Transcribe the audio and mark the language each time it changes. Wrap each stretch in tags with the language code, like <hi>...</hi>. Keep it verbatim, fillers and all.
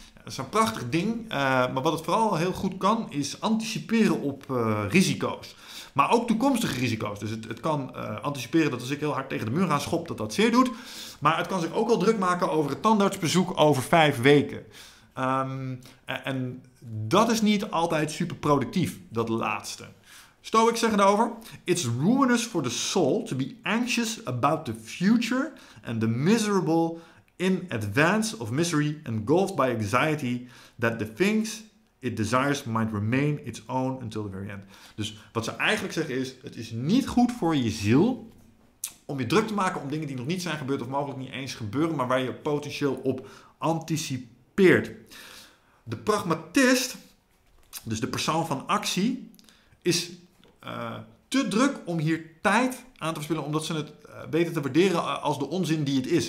<nl>Dat is een prachtig ding, uh, maar wat het vooral heel goed kan, is anticiperen op uh, risico's. Maar ook toekomstige risico's. Dus het, het kan uh, anticiperen dat als ik heel hard tegen de muur ga schop, dat dat zeer doet. Maar het kan zich ook al druk maken over het tandartsbezoek over vijf weken. Um, en, en dat is niet altijd super productief, dat laatste. Stoics zeggen daarover:</nl> <en>it's ruinous for the soul to be anxious about the future and the miserable in advance of misery engulfed by anxiety that the things it desires might remain its own until the very end.</en> <nl>Dus wat ze eigenlijk zeggen is, het is niet goed voor je ziel om je druk te maken om dingen die nog niet zijn gebeurd of mogelijk niet eens gebeuren, maar waar je potentieel op anticipeert. De pragmatist, dus de persoon van actie, is uh, te druk om hier tijd aan te verspillen, omdat ze het uh, weten te waarderen als de onzin die het is.</nl>